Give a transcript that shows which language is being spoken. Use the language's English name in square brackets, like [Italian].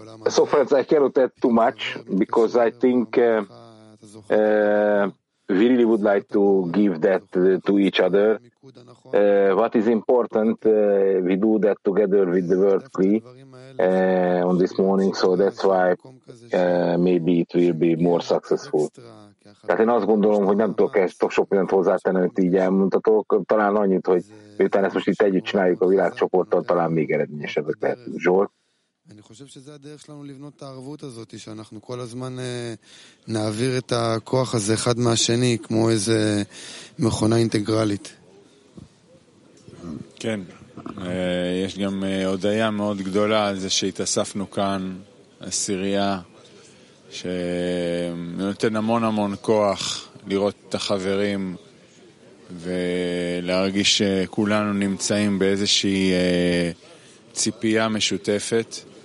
[English] So, friends, I cannot add too much, because I think We really would like to give that to each other. What is important, we do that together with the World Tree on this morning, so that's why maybe it will be more successful. [Hungarian] Tehát én azt gondolom, hogy nem tudok ezt sok mindent hozzátenni, amit így elmutatok. Talán annyit, hogy miután ezt most itt együtt csináljuk a világcsoporttal, talán még eredményesebbek lehetünk. Zsolt? [Hebrew] אני חושב שזה הדרך שלנו לבנות את הערבות הזאת, שאנחנו כל הזמן נעביר את הכוח הזה אחד מהשני, כמו איזה מכונה אינטגרלית. כן, יש גם הודעה מאוד גדולה על זה שהתאספנו כאן, הסירייה, שנותן המון המון כוח לראות את החברים ולהרגיש שכולנו נמצאים באיזושהי ציפייה משותפת.